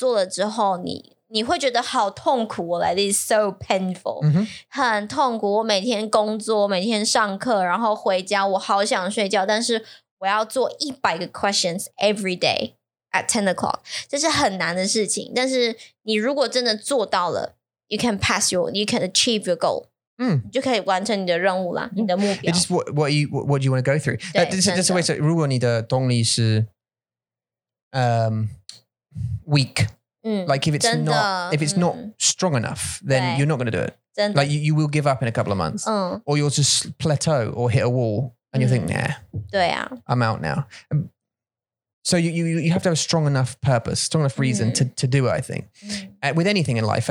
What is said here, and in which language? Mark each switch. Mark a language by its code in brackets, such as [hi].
[zh] 所以就是你要付出嘛，你要努力，你要努力，很努力，很努力，这是我的目标，我要这么做，我要这么做。那你真的做了之后，你会觉得好痛苦。 [en] Like it's so painful, [zh] 很痛苦。我每天工作，每天上课，然后回家，我好想睡觉，但是我要做100个 [en] questions every day at 10 o'clock. [zh] 这是很难的事情，但是你如果真的做到了。 [en] You can pass your, you can achieve your goal. [zh] 你就可以完成你的任务啦，你的目标。 [en] It's what do you want to go through? [zh] 对，真的。如果你的动力是 [en] weak, like if it's not, if it's not strong enough, then you're not going to do it. [zh] 真的。 [en] Like you will give up in a couple of months. Or you'll just plateau or hit a wall and you'll think, nah, [zh] 对啊。 [en] I'm out now. So you have to have a strong enough purpose, strong enough reason to do it, I think, with anything in life.